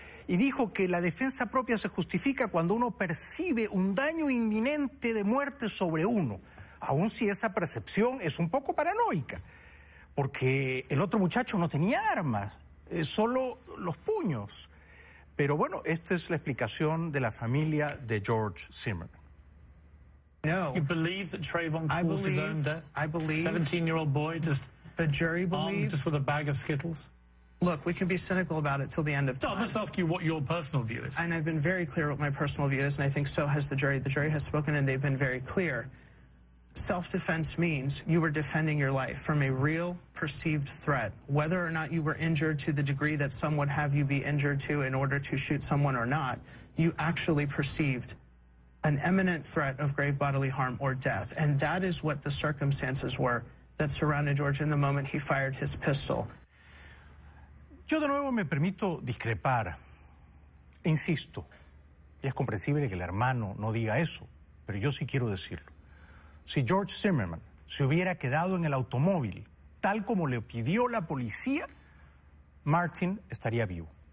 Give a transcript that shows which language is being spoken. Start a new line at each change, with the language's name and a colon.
Spanish: Y dijo que la defensa propia se justifica cuando uno percibe un daño inminente de muerte sobre uno, aun si esa percepción es un poco paranoica, porque el otro muchacho no tenía armas, solo los puños. Pero bueno, esta es la explicación de la familia de George Zimmerman.
English: No. You believe that Trayvon caused his own death? I believe. 17-year-old boy just... The jury believes? Just with a bag of Skittles? Look, we can be cynical about it till the end of time. So I must ask you what your personal view is. And I've been very clear what my personal view is, and I think so has the jury. The jury has spoken, and they've been very clear. Self-defense means you were defending your life from a real perceived threat. Whether or not you were injured to the degree that some would have you be injured to in order to shoot someone or not, you actually perceived an imminent threat of grave bodily harm or death. And that is what the circumstances were that surrounded George in the moment he fired his pistol.
Spanish: Yo de nuevo me permito discrepar. Insisto, y es comprensible que el hermano no diga eso, pero yo sí quiero decirlo. Si George Zimmerman se hubiera quedado en el automóvil tal como le pidió la policía, Martin estaría vivo.